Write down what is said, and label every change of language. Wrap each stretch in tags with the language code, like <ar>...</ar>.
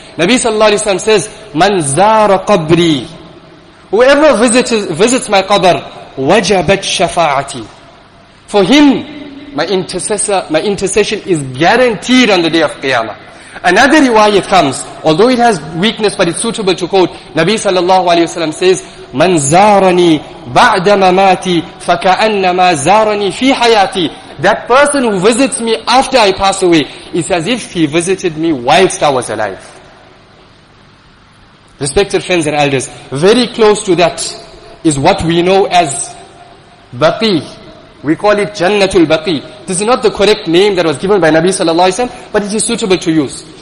<en>Nabi sallallahu alayhi wa sallam says,</en> <ar>مَنْ زَارَ قَبْرِي,</ar> <en>whoever visits my qabr,</en> <ar>وَجَبَتْ شَفَاعَتِي,</ar> <en>for him my intercession is guaranteed on the day of Qiyamah. Another riwayat comes, although it has weakness, but it's suitable to quote. Nabi sallallahu alayhi wa sallam says,</en> <ar>مَنْ زَارَنِي بَعْدَ مَمَاتِي فَكَأَنَّمَا زَارَنِي فِي حَيَاتِي.</ar> <en>That person who visits me after I pass away, it's as if he visited me whilst I was alive. Respected friends and elders, very close to that is what we know as Baqi. We call it Jannatul Baqi. This is not the correct name that was given by Nabi sallallahu alayhi wa sallam, but it is suitable to use.</en>